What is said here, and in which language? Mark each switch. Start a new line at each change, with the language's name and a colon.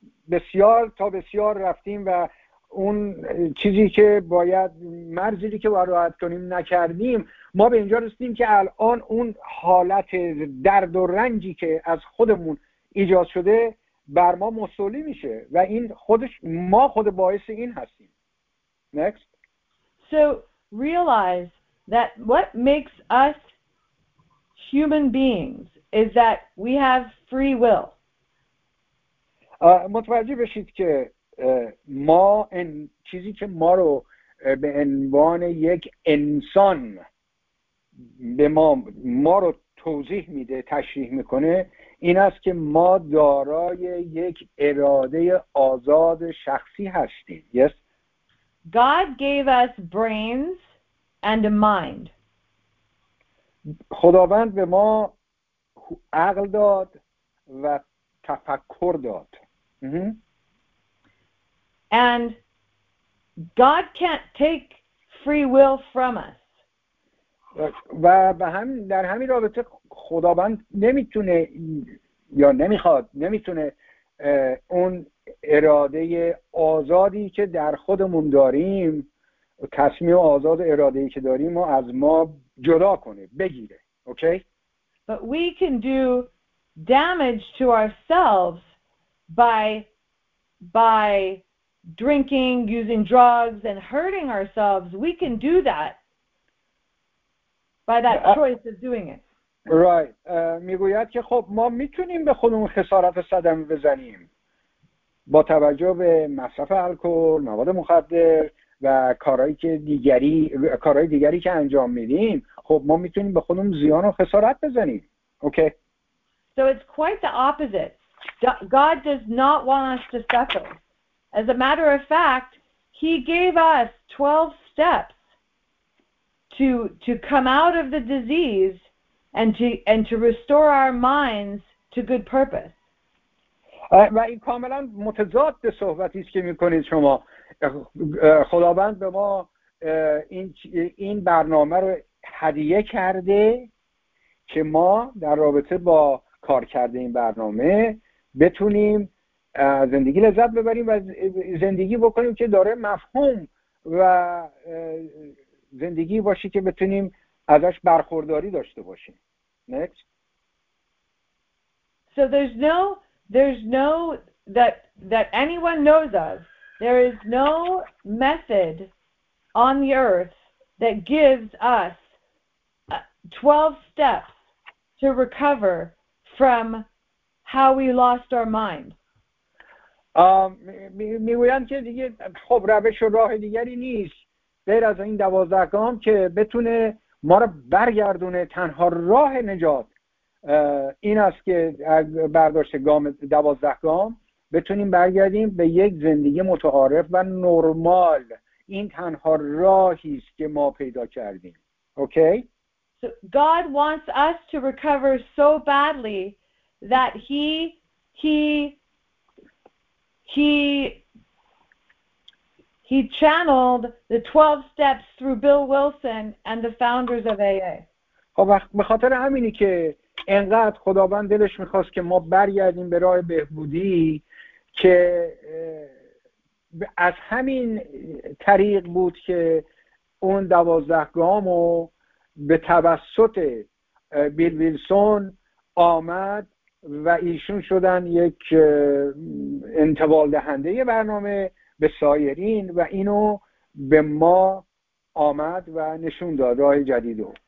Persian: بسیار تا بسیار رفتیم و اون چیزی که باید مرزی که باید رعایت کنیم نکردیم، ما به اینجا رسیدیم که الان اون حالت درد و رنجی که از خودمون ایجاد شده بر ما مسئولی میشه و این خودش ما خود باعث این هستیم.
English: Next. So realize that what makes us human beings is that we have free will.
Persian: متوجه بشید که ما این چیزی که ما رو به عنوان یک انسان به ما رو توضیح میده تشریح میکنه این است که ما دارای یک اراده آزاد شخصی هستیم.
English: Yes. God gave us brains and a mind.
Persian: خداوند به ما عقل داد و تفکر داد.
English: And God can't take free will from us.
Persian: و به همین در همین رابطه خداوند نمیتونه یا نمیخواد نمیتونه اون اراده آزادی که در خودمون داریم، تصمیم آزاد اراده‌ای که داریم رو از ما جدا کنه، بگیره.
English: Okay? But we can do damage to ourselves by drinking, using drugs and hurting ourselves. We can do that by that choice of doing it. Right.
Persian: میگوید که خب ما میتونیم به خودمون خسارت و صدمه بزنیم با توجه به مصرف الکل، مواد مخدر و کارهای دیگری که انجام میدیم. خب ما میتونیم به خودمون زیان و خسارت بزنیم.
English: Okay. So it's quite the opposite. God does not want us to suffer. As a matter of fact, he gave us 12 steps to come out of the disease and to restore our minds to good purpose.
Persian: و این کاملا متضاد به صحبتی است که میکنید شما. خداوند به ما این برنامه رو هدیه کرده که ما در رابطه با کار کرده این برنامه بتونیم زندگی لذت ببریم و زندگی بکنیم که داره مفهوم و زندگی باشه که بتونیم ازش برخورداری داشته باشیم.
English: Next. So there's no that anyone knows of. There is no method on the earth that gives us 12 steps to recover from how we lost our mind.
Persian: میگویم که دیگه خب روش و راه دیگری نیست غیر از این 12 گام که بتونه ما رو برگردونه. تنها راه نجات این است که از برداشت گام 12 گام بتونیم برگردیم به یک زندگی متعارف و نرمال. این تنها راهی است که ما پیدا کردیم.
English: Okay? So God wants us to recover so badly that he channeled the 12 steps through Bill Wilson and the founders of AA.
Persian: خب به خاطر همینی که انقدر خداوند دلش میخواست که ما برگردیم به راه بهبودی که از همین طریق بود که اون 12 گامو به توسط بیل ویلسون آمد و ایشون شدن یک انتقال دهنده برنامه به سایرین و اینو به ما آمد و نشون داد راه جدیدو.